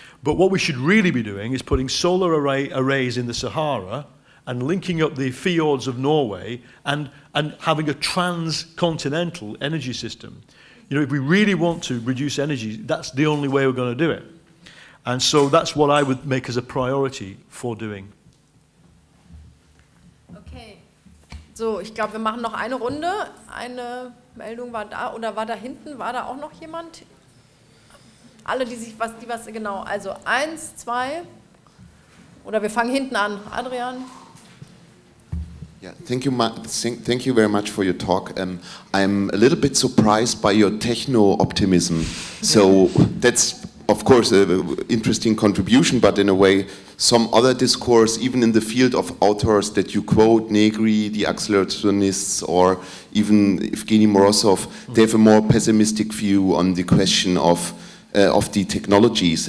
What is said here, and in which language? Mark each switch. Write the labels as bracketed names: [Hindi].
[English] But what we should really be doing is putting solar arrays in the Sahara and linking up the fjords of Norway and having a transcontinental energy system. You know, if we really want to reduce energy, that's the only way we're going to do it. And so that's what I would make as a priority for doing. Okay. [German] So, ich glaube, wir machen noch eine Runde. Eine Meldung war da, oder war da hinten, war da auch noch jemand? Alle, die was genau, also eins, zwei, oder wir fangen hinten an. Adrian. [English] Yeah, thank you very much for your talk. I'm a little bit surprised by your techno-optimism. So that's, of course, an interesting contribution, but in a way, some other discourse, even in the field of authors that you quote, Negri, the accelerationists, or even Evgeny Morozov, they have a more pessimistic view on the question of the technologies.